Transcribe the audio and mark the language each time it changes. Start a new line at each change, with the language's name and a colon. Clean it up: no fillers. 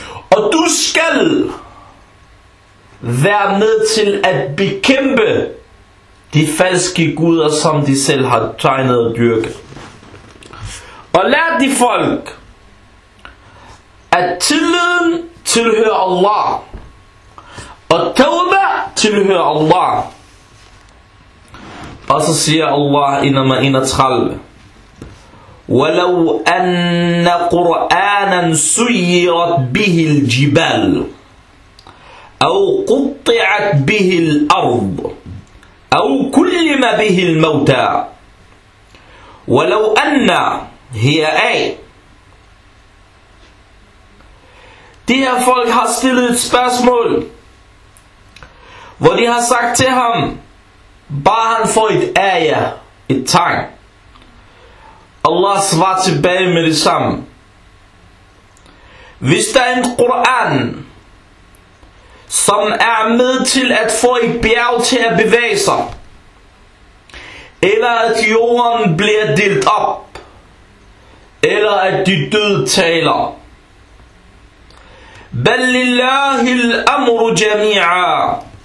Danish: Og du skal være med til at bekæmpe de falske guder, som de selv har tegnet og dyrket. Og lær de folk, at tilliden tilhører Allah, og tauba tilhører Allah. Og så siger Allah i nummer 31:
Arabic: وَلَوْ أَنَّ قُرْآنًا سُيِّرَتْ بِهِ الْجِبَالُ أَوْ قُطِعَتْ بِهِ الْأَرْضُ أَوْ كُلِّمَ بِهِ الْمَوْتَى وَلَوْ أَنَّ هِيَ أَيْ.
Danish: De her folk har stillet et spørgsmål, hvor de har sagt til ham, bare han får et aya, et tegn. Allah svarer tilbage med det samme. Hvis der er en Koran, som er med til at få et bjerg til at bevæge sig, eller at jorden bliver delt op, eller at de døde taler,
Arabic: بَلِّلَّهِ الْأَمْرُ جَمِيعًا.